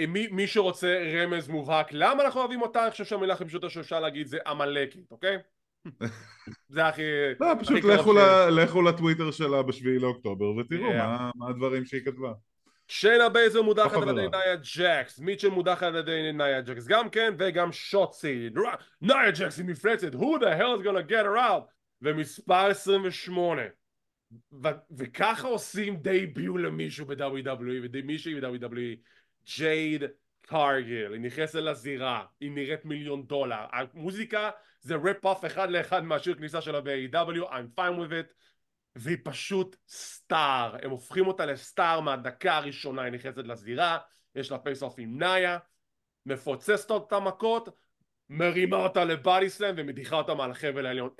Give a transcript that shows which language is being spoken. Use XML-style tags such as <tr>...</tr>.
<he>מי שרוצה רמז מובהק, למה אנחנו אוהבים אותה? אני חושב שהמילה הכי פשוטה שאפשר להגיד זה עמלקית, אוקיי? זה הכי... לא, פשוט לכו לטוויטר שלה בשביעי לאוקטובר ותראו מה הדברים שהיא כתבה. שיינה בייזר מודחת על ידי נאיה ג'קס, מיטשל מודחת על ידי נאיה ג'קס, גם כן וגם שוטסי. נאיה ג'קס היא מפלצת,</he> <en>who the hell is gonna get her out?</en> <he>ומספר 28. וככה עושים דייביו למישהו ב-WWE, ומישהי ב-WWE, ג'ייד קארגיל, היא נכנסת לזירה, היא נראית מיליון דולר, המוזיקה זה ריפ-אוף אחד לאחד מהשיר כניסה שלה ב-AEW,</he> <en>I'm fine with it,</en> <he>והיא פשוט סטאר, הם הופכים אותה לסטאר מהדקה הראשונה, היא נכנסת לזירה, יש לה פייס-אוף עם נאיה, מפוצצת אותה מכות, מרימה אותה לבאדי סלאם ומדיחה אותה מעל החבל העליון.</he>